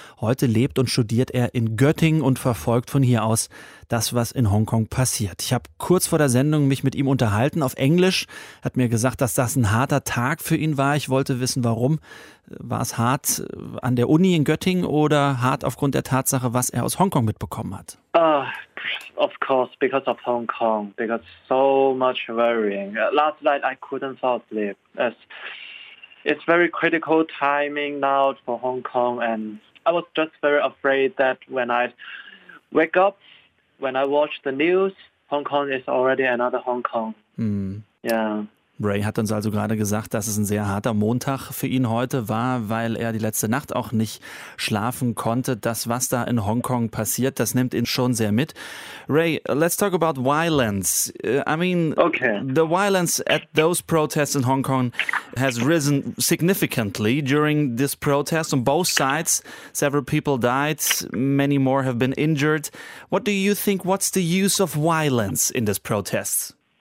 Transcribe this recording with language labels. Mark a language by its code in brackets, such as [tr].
[de] Heute lebt und studiert er in Göttingen und verfolgt von hier aus das, was in Hongkong passiert. Ich habe kurz vor der Sendung mich mit ihm unterhalten auf Englisch, hat mir gesagt, dass das ein harter Tag für ihn war. Ich wollte wissen, warum. War es hart an der Uni in Göttingen oder hart aufgrund der Tatsache, was er aus Hongkong mitbekommen hat? [en] Of course, because of Hong Kong, because so much worrying. Last night I couldn't fall asleep. It's very critical timing now for Hong Kong and I was just very afraid that when I wake up, when I watch the news, Hong Kong is already another Hong Kong. Ray hat uns also gerade gesagt, dass es ein sehr harter Montag für ihn heute war, weil er die letzte Nacht auch nicht schlafen konnte. Das, was da in Hongkong passiert, das nimmt ihn schon sehr mit. Ray, let's talk about violence. The violence at those protests in Hong Kong has risen significantly during this protest on both sides. Several people died, many more have been injured. What do you think, what's the use of violence in this protest?